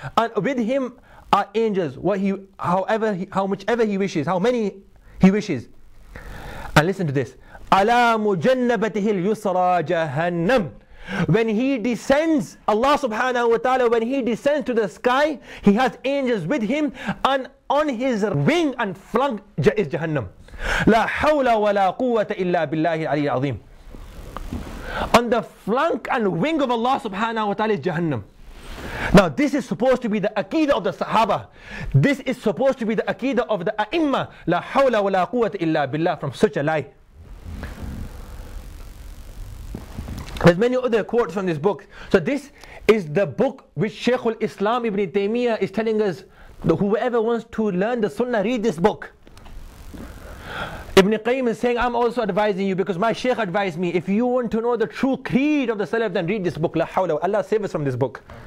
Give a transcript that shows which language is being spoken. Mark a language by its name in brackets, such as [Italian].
[English] And with Him are angels, what he, however, how whichever He wishes, how many He wishes. And listen to this. [Arabic] أَلَى مُجَنَّبَتِهِ الْيُسْرَى جَهَنَّمْ. [English] When He descends, Allah subhanahu wa ta'ala, when He descends to the sky, He has angels with Him, and on His wing and flank is Jahannam. [Arabic] لا حول ولا قوة إلا بالله العلي العظيم. [English] On the flank and wing of Allah subhanahu wa ta'ala is Jahannam. Now this is supposed to be the aqeedah of the Sahaba. This is supposed to be the aqeedah of the A'imma. [Arabic] لا حول ولا قوة إلا بالله, [English] from such a lie. There's many other quotes from this book. So this is the book which Shaykhul Islam Ibn Taymiyyah is telling us, that whoever wants to learn the Sunnah, read this book. Ibn Qayyim is saying, I'm also advising you, because my Shaykh advised me, if you want to know the true creed of the Salaf, then read this book. La hawla, Allah save us from this book.